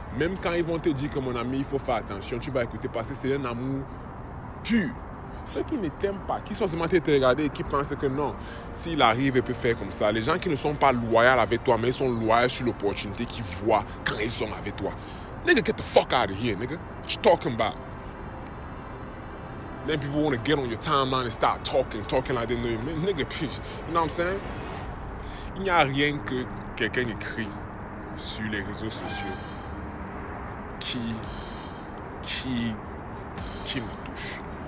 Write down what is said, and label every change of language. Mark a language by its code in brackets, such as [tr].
[fr] Même quand ils vont te dire que mon ami, il faut faire attention, tu vas écouter parce que c'est un amour pur. Ceux qui ne t'aiment pas, qui sont seulement te regarder et qui pensent que non, s'il arrive, il peut faire comme ça. Les gens qui ne sont pas loyaux avec toi, mais ils sont loyaux sur l'opportunité qu'ils voient quand ils sont avec toi. [en] Nigga, get the fuck out of here, nigga. What you talking about? Then people want to get on your timeline and start talking like they know you. Man, nigga, please. You know what I'm saying? [fr] Il n'y a rien que quelqu'un écrit sur les réseaux sociaux qui me touche.